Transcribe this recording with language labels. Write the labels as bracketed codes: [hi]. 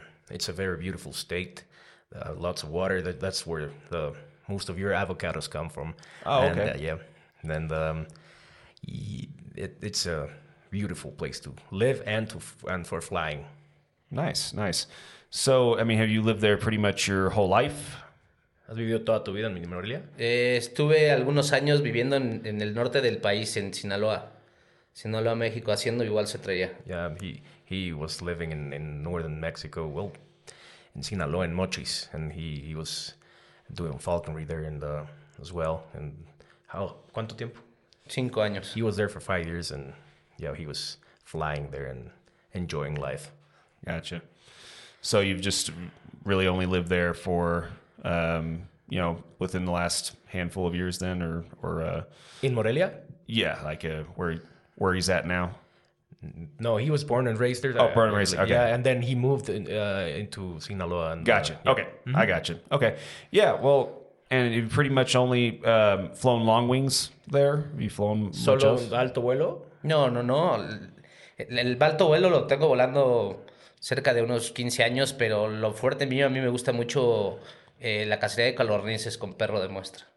[en] It's a very beautiful state. Lots of water. That's where the... most of your avocados come from. Oh, okay. And, yeah. And it's a beautiful place to live and to and for flying. Nice, nice. So, I mean, have you lived there pretty much your whole life? [es] ¿Has vivido toda tu vida en Morelia? Estuve algunos años viviendo en el norte del país, en Sinaloa. Sinaloa, México, haciendo igual se traía. [en] Yeah, he was living in northern Mexico, well, in Sinaloa, in Mochis, and he was doing falconry there in the as well. And how, [es] ¿cuánto tiempo? 5 años. [en] He was there for 5 years, and yeah, he was flying there and enjoying life. Gotcha. So you've just really only lived there for, you know, within the last handful of years then, or in Morelia? Yeah, like where he's at now. No, he was born and raised there. Oh, born and raised. Okay. Yeah, and then he moved into Sinaloa. And, gotcha. Yeah. Okay. Mm-hmm. I gotcha. Okay. Yeah, well, and you've pretty much only flown long wings there? Have you flown [es] solo [en] much [es] solo alto vuelo? No. El alto vuelo lo tengo volando cerca de unos 15 años, pero lo fuerte mío, a mí me gusta mucho la cacería de codornices con perro de muestra.